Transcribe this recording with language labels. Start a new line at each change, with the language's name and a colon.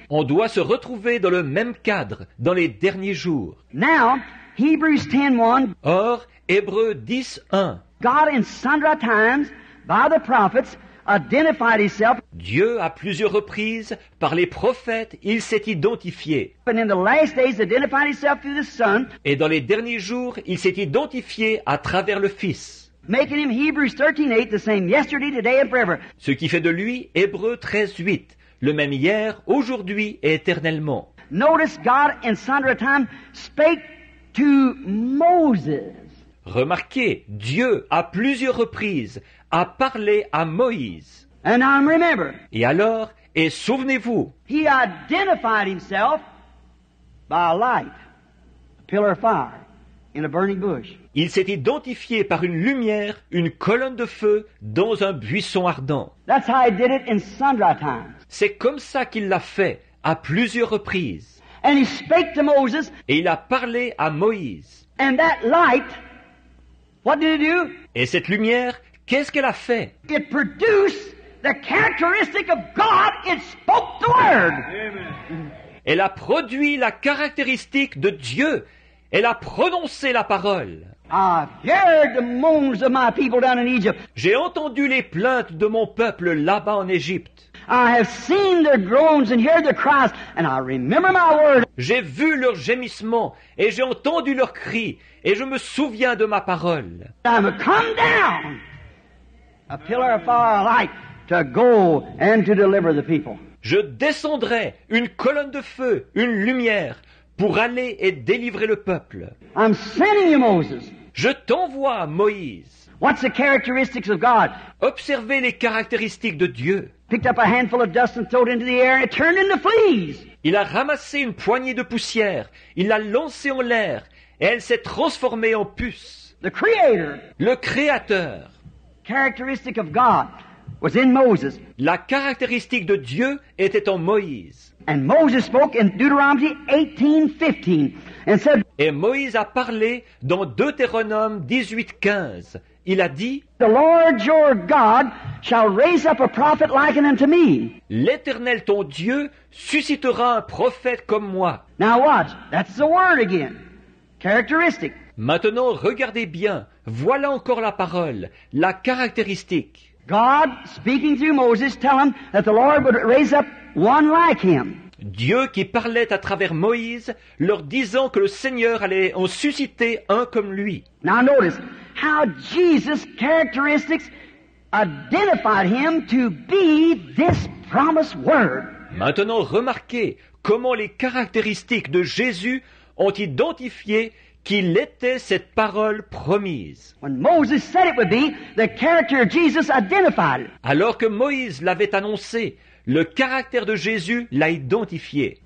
French: On doit se retrouver dans le même cadre dans les derniers jours.
English: Now, Hebrews 10:1.
French: Or, Hébreux 10:1.
English: God in sundry times by the prophets identified himself.
French: Dieu à plusieurs reprises par les prophètes, il s'est identifié.
English: And in the last days identified himself through the Son.
French: Et dans les derniers jours, il s'est identifié à travers le Fils.
English: Making him Hebrews 13:8 the same yesterday, today and forever.
French: Ce qui fait de lui Hébreux 13:8 le même hier, aujourd'hui et éternellement.
English: Notice God in sundry time spake to Moses.
French: Remarquez, Dieu à plusieurs reprises a parlé à Moïse.
English: And I remember.
French: Et alors, et souvenez-vous.
English: He identified himself by a light, a pillar of fire in a burning bush.
French: Il s'est identifié par une lumière, une colonne de feu, dans un buisson ardent.
English: That's how he did it in sundry times.
French: C'est comme ça qu'il l'a fait, à plusieurs reprises.
English: And he spake to Moses.
French: Et il a parlé à Moïse.
English: And that light, what did it do?
French: Et cette lumière, qu'est-ce qu'elle a fait?
English: It produced the characteristic of God. It spoke the word. Amen.
French: Elle a produit la caractéristique de Dieu. Elle a prononcé la parole.
English: I heard the moans of my people down in Egypt.
French: J'ai entendu les plaintes de mon peuple là-bas en Égypte.
English: I have seen their groans and heard their cries, and I remember my word.
French: J'ai vu leurs gémissements et j'ai entendu leurs cris et je me souviens de ma parole.
English: I'm come down, a pillar of fire light, to go and to deliver the people.
French: Je descendrai, une colonne de feu, une lumière, pour aller et délivrer le peuple.
English: I'm sending you Moses.
French: Je t'envoie, Moïse.
English: What's the characteristics of God?
French: Observez les caractéristiques de Dieu.
English: Picked up a handful of dust and threw it into the air and it turned into fleas.
French: Il a ramassé une poignée de poussière, il l'a lancée en l'air et elle s'est transformée en puce.
English: The Creator.
French: Le Créateur.
English: Characteristic of God was in Moses.
French: La caractéristique de Dieu était en Moïse.
English: And Moses spoke in Deuteronomy 18:15 and said.
French: Et Moïse a parlé dans Deutéronome 18:15. Il a dit.
English: The Lord your God shall raise up a prophet like unto me.
French: L'Éternel ton Dieu suscitera un prophète comme moi.
English: Now watch, that's the word again. Characteristic.
French: Maintenant regardez bien, voilà encore la parole, la caractéristique.
English: God speaking through Moses tell him that the Lord would raise up one like him.
French: Dieu qui parlait à travers Moïse, leur disant que le Seigneur allait en susciter un comme lui.
English: Now notice how Jesus' characteristics identified him to be this promised word.
French: Maintenant remarquez comment les caractéristiques de Jésus ont identifié qu'il était cette parole promise.
English: When Moses said it would be, the character of Jesus identified.
French: Alors que Moïse l'avait annoncé, le caractère de Jésus l'a identifié.